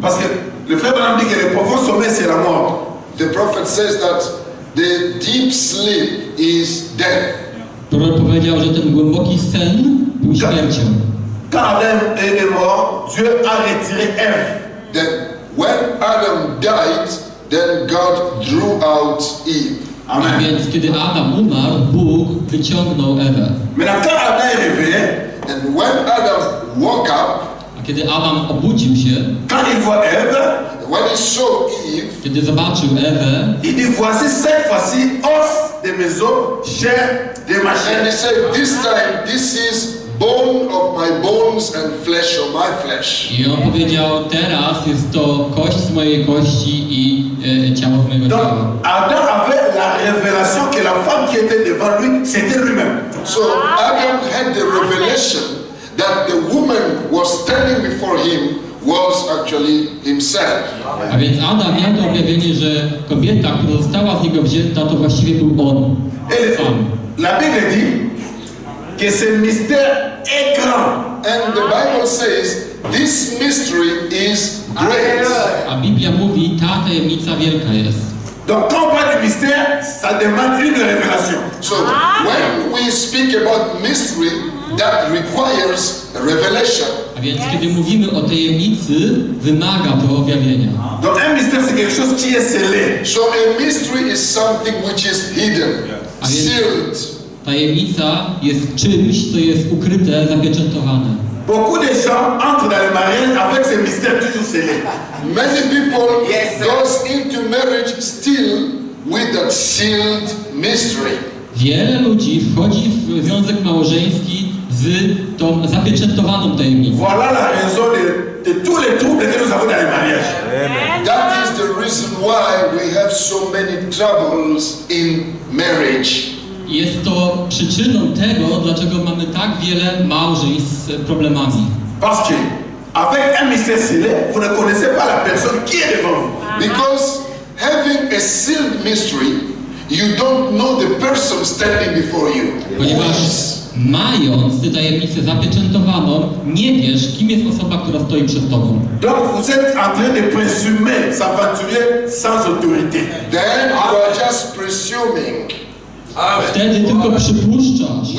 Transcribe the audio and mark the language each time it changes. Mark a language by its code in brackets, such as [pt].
[fr] parce que le frère Branham dit que le profond sommeil c'est la mort. [en] The prophet says that the deep sleep is death. [pl] Prorok powiedział, że ten głęboki sen był śmiercią. [fr] Quand Adam est mort, Dieu a retiré Eve. [en] Then, when Adam died, then God drew out Eve. Amen. [pl] Więc kiedy Adam umarł, Bóg wyciągnął Ewę. [fr] Maintenant, quand Adam est réveillé, [en] and when Adam woke up, [pl] a kiedy Adam obudził się, [fr] quand il voit Eve, [en] when he saw Eve, [pl] kiedy zobaczył Ewę, [fr] il dit, voici cette fois-ci, os de mes os, chair de ma chair. [en] And he said, this time, this is bone of my bones and flesh of my flesh. [pl] I on powiedział, teraz jest to kość z mojej kości i ciało z mojego ciała. [fr] Adam avait la révélation que la femme qui était devant lui, c'était lui-même. [en] So Adam had the revelation that the woman was standing before him was actually himself. [pl] A więc Adam miał to objawienie, że kobieta, która została z niego wzięta, to właściwie był on. [fr] La Bible dit que ce mystère est grand. [en] And the Bible says this mystery is great. [pl] A Biblia mówi, ta tajemnica wielka jest. [fr] Donc quand on parle de mystère, ça demande une révélation. [en] So when we speak about mystery, that requires revelation. [pl] A więc kiedy mówimy o tajemnicy, wymaga to objawienia. [fr] Donc un mystère c'est quelque chose qui est scellé. [en] So a mystery is something which is hidden, sealed. [pl] Tajemnica jest czymś, co jest ukryte, zapieczętowane. [fr] Beaucoup de gens entrent dans le mariage avec ce mystère toujours scellé. [en] Many people go into marriage still with that sealed mystery. [pl] Wiele ludzi wchodzi w związek małżeński z tą zapieczętowaną tajemnicą. [fr] Voilà la raison de tous les troubles que nous avons dans le mariage. [en] That is the reason why we have so many troubles in marriage. [pl] Jest to przyczyną tego, dlaczego mamy tak wiele małżeństw z problemami. [fr] Parce que avec un mystère scellé, vous ne connaissez pas la personne qui est devant vous. [en] Because having a sealed mystery, you don't know the person standing before you. [pl] Ponieważ mając tę tajemnicę zapieczętowaną, nie wiesz, kim jest osoba, która stoi przed tobą. [fr] Donc vous êtes en train de présumer, s'aventurer sans autorité. [en] Then you are just presuming. [pl] Wtedy tylko przypuszczasz.